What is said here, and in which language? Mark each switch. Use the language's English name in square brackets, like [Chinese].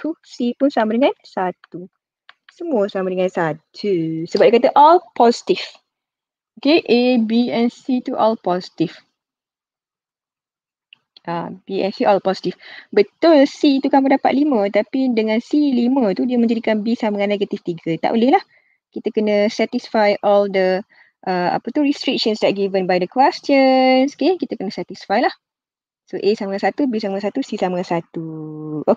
[Malay] C pun sama dengan 1. Semua sama dengan 1. Sebab dia kata [English] all positive. Okay, A, B and C tu all positive. B and C all positive. [Malay] Betul C tu kamu dapat 5, tapi dengan C 5 tu dia menjadikan B sama dengan negatif 3. Tak boleh lah. Kita kena [English] satisfy all the restrictions that given by the questions. [Malay] Okay, kita kena satisfy lah. So A sama dengan 1, B sama dengan 1, C sama dengan 1.